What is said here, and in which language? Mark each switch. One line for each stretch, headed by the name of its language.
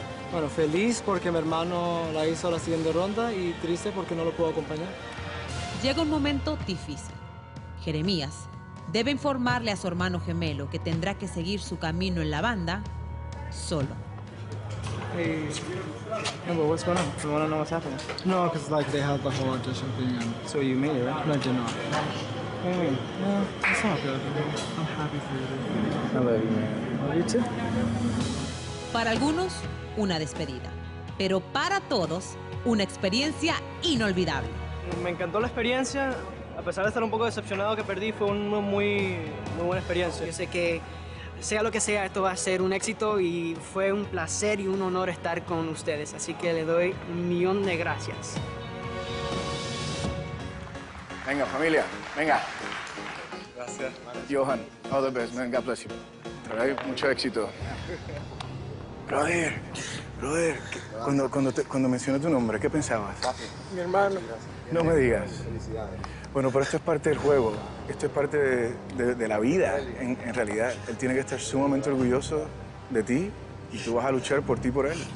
Spanish: Bueno, feliz porque mi hermano la hizo la siguiente ronda y triste porque no lo puedo acompañar. Llega un momento difícil. Jeremías debe informarle a su hermano gemelo que tendrá que seguir su camino en la banda solo.
English: Hey, but what's going on? You want to know what's happening? No, because like they held the whole audition thing. And so you made it, right? No, I did not. What do you mean? No, it's not good. I'm happy for you. I love you, man. I love you too.
Spanish: Para algunos, una despedida. Pero para todos, una experiencia inolvidable. Me encantó la experiencia. A pesar de estar un poco decepcionado que perdí, fue una muy, muy buena experiencia. Yo sé que, sea lo que sea, esto va a ser un éxito y fue un placer y un honor estar con ustedes. Así que le doy 1,000,000 de gracias. Venga, familia, venga. Gracias.
English: Johan, all the best, man, God bless you.
Spanish: Trae mucho éxito.
English: Brother, brother,
Spanish: cuando mencioné tu nombre, ¿qué pensabas? Mi hermano. No me digas. Felicidades. Bueno, pero esto es parte del juego, esto es parte de la vida, en realidad. Él tiene que estar sumamente orgulloso de ti y tú vas a luchar por ti y por él.